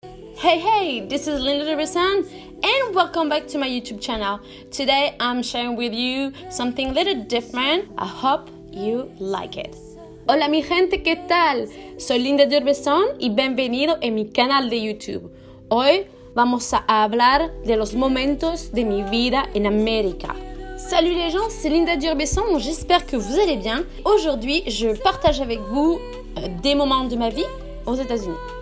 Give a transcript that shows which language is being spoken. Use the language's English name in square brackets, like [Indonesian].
[English] Hey, this is Linda Durbesson, and welcome back to my YouTube channel. Today, I'm sharing with you something a little different. I hope you like it. [Spanish] Hola mi gente, ¿qué tal? Soy Linda Durbesson y bienvenido en mi canal de YouTube. Hoy vamos a hablar de los momentos de mi vida en América. [French] Salut les gens, c'est Linda Durbesson, j'espère que vous allez bien. Aujourd'hui, je partage avec vous des moments de ma vie aux États-Unis.